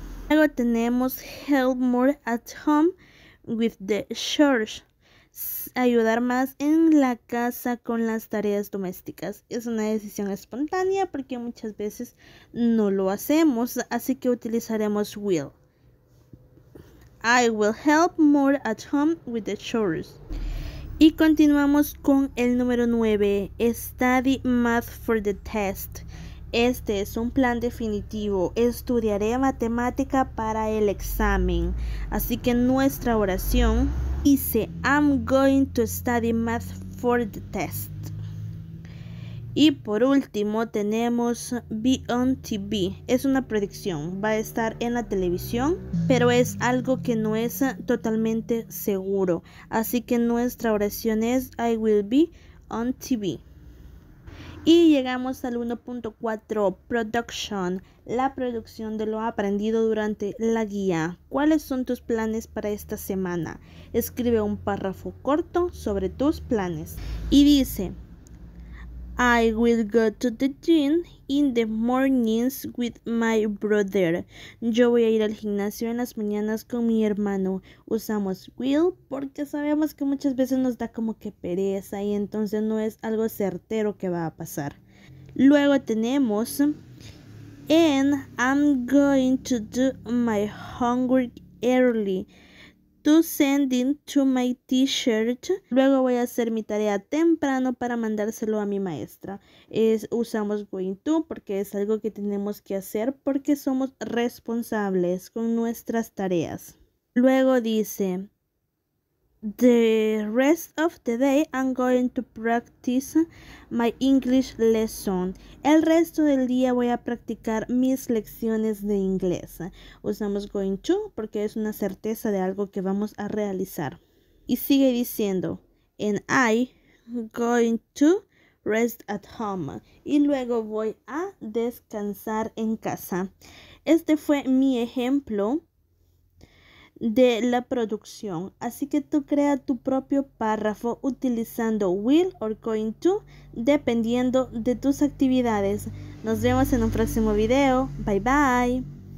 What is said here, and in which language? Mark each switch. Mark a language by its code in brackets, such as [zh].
[es] Luego tenemos [en] help more at home with the chores. [es] Ayudar más en la casa con las tareas domésticas. Es una decisión espontánea porque muchas veces no lo hacemos, así que utilizaremos will. [en] I will help more at home with the chores. [es] Y continuamos con el número 9, [en] study math for the test. [es] Este es un plan definitivo, estudiaré matemática para el examen. Así que nuestra oración dice, [en] I'm going to study math for the test. [es] Y por último tenemos [en] be on TV. [es] Es una predicción, va a estar en la televisión, pero es algo que no es totalmente seguro. Así que nuestra oración es, [en] I will be on TV. [es] Y llegamos al 1.4, production, la producción de lo aprendido durante la guía. ¿Cuáles son tus planes para esta semana? Escribe un párrafo corto sobre tus planes. Y dice, [en] I will go to the gym in the mornings with my brother. [es] Yo voy a ir al gimnasio en las mañanas con mi hermano. Usamos will porque sabemos que muchas veces nos da como que pereza y entonces no es algo certero que va a pasar. Luego tenemos, [en] and I'm going to do my homework early. To send it to my teacher. [es] Luego voy a hacer mi tarea temprano para mandárselo a mi maestra. Usamos going to porque es algo que tenemos que hacer porque somos responsables con nuestras tareas. Luego dice, [en] the rest of the day I'm going to practice my English lesson. [es] El resto del día voy a practicar mis lecciones de inglés. Usamos going to porque es una certeza de algo que vamos a realizar. Y sigue diciendo, [en] and I going to rest at home. [es] Y luego voy a descansar en casa. Este fue mi ejemplo de la producción, así que tú crea tu propio párrafo utilizando will or going to dependiendo de tus actividades. Nos vemos en un próximo video. Bye bye.